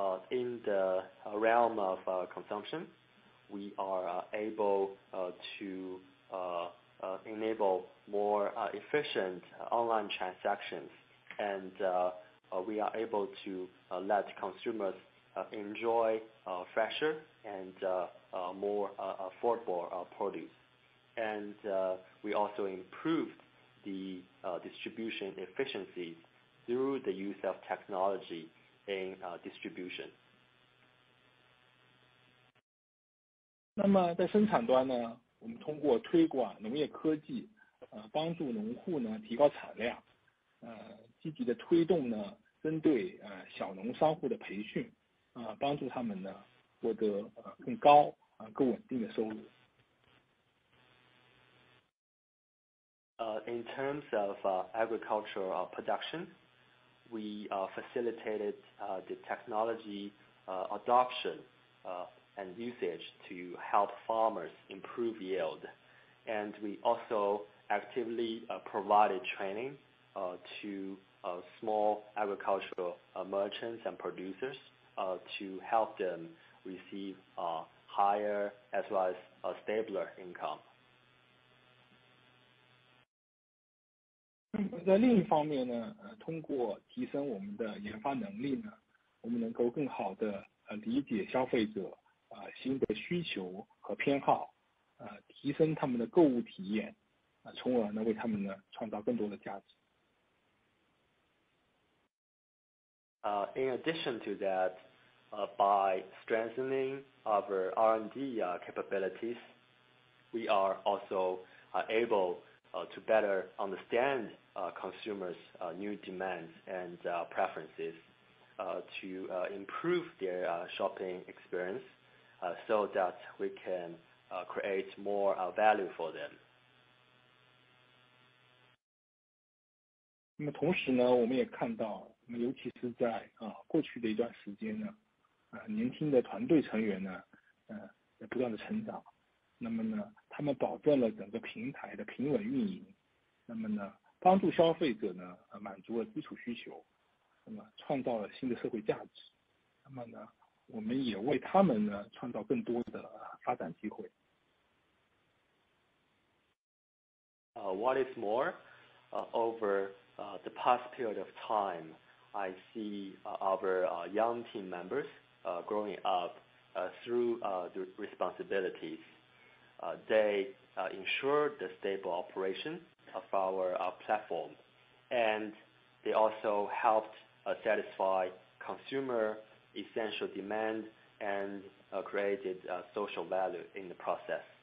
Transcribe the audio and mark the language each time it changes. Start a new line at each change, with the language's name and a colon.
English: In the realm of consumption, we are able to enable more efficient online transactions, and we are able to let consumers enjoy fresher and more affordable produce. And we also improved the distribution efficiencies through the use of technology in distribution.
Chinese: 那么在生产端呢，我们通过推广农业科技，帮助农户呢提高产量，积极的推动呢针对小农商户的培训，帮助他们呢获得更高更稳定的收入。
English: In terms of agriculture production, we facilitated the technology adoption and usage to help farmers improve yield. And we also actively provided training to small agricultural merchants and producers to help them receive higher as well as a stabler income.
Chinese: 在另一方面呢，通过提升我们的研发能力呢，我们能够更好的理解消费者新的需求和偏好，提升他们的购物体验，从而呢为他们呢创造更多的价值。
English: In addition to that, by strengthening our R&D capabilities, we are also able to better understand. Consumers' new demands and preferences to improve their shopping experience so that we can create more value for them.
Chinese: 那么同时呢，我们也看到，那么尤其是在过去的一段时间呢，年轻的团队成员呢，也不断的成长。那么呢，他们保证了整个平台的平稳运营。那么呢？帮助消费者呢，满足了基础需求，那么创造了新的社会价值，那么呢，我们也为他们呢创造更多的发展机会。
English: What is more, over the past period of time, I see our young team members growing up through the responsibilities. They ensure the stable operation. Of our platform, and they also helped satisfy consumer essential demand and created social value in the process.